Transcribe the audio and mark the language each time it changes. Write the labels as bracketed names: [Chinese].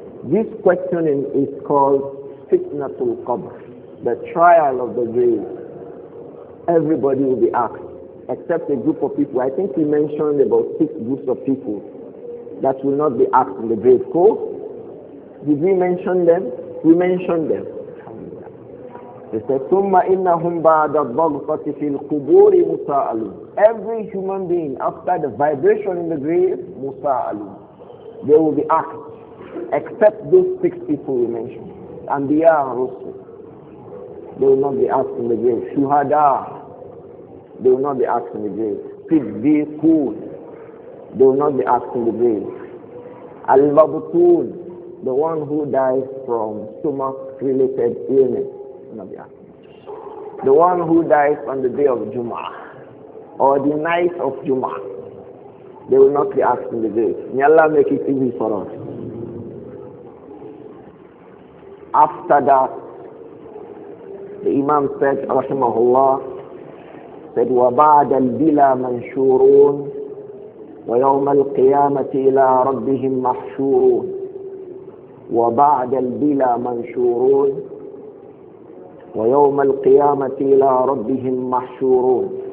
[English] This questioning is called fitnatul qabr, the trial of the grave. everybody will be asked, except a group of people. I think he mentioned about six groups of people that will not be asked in the grave. So, did we mention them? We mentioned them. He said, [Arabic] ثُمَّ إِنَّهُمْ بَعْدَ الضَّغْفَةِ فِي الْقُبُورِ مُسَاءَلُونَ. [English] Every human being, after the vibration in the grave, مُسَاءَلُونَ. They will be asked, except those six people we mentioned. And they are also. They will not be asked in the grave. Shuhada. They will not be asked in the grave. Siddiqun. They will not be asked in the grave. Al-Mabutun. The one who dies from stomach-related illness. The one who dies on the day of Jum'ah or the night of Jum'ah, they will not be asked in the grave. May Allah make it easy for us. After that, the Imam said, Rahimahullah, said, [Arabic] وَبَعْدَ الْبِلَى مَنْشُورُونَ وَيَوْمَ الْقِيَامَةِ إِلَىٰ رَبِّهِمْ مَحْشُورُونَ وَبَعْدَ الْبِلَى مَنْشُورُونَ وَيَوْمَ الْقِيَامَةِ إِلَىٰ رَبِّهِمْ مَحْشُورُونَ